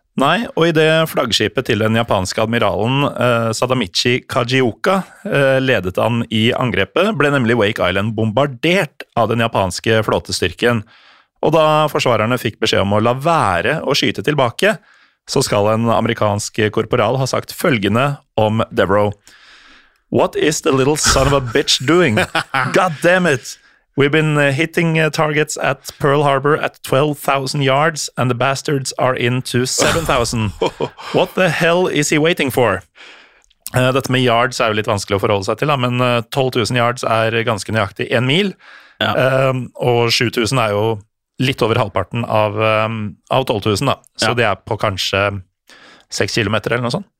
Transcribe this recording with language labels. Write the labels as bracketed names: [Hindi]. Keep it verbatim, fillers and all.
[Norwegian] Nei, og i det flaggskipet til den japanske admiralen eh, Sadamichi Kajioka eh, ledet han i angrepet, ble nemlig Wake Island bombardert av den japanske flåtestyrken. Og da forsvarerne fikk beskjed om å la være å skyte tilbake, så skal en amerikansk korporal ha sagt følgende om Devereaux. [English] What is the little son of a bitch doing? God damn it! We've been hitting targets at Pearl Harbor at twelve thousand yards, and the bastards are into seven thousand. What the hell is he waiting for? [Norwegian] Uh, dette med yards er jo litt vanskelig å forholde seg til, da, men tolv tusen yards er ganske nøyaktig en mil, ja. um, og sju tusen er jo litt over halvparten av, um, av tolv tusen, da. Så ja. Det er på kanskje seks kilometer eller noe sånt.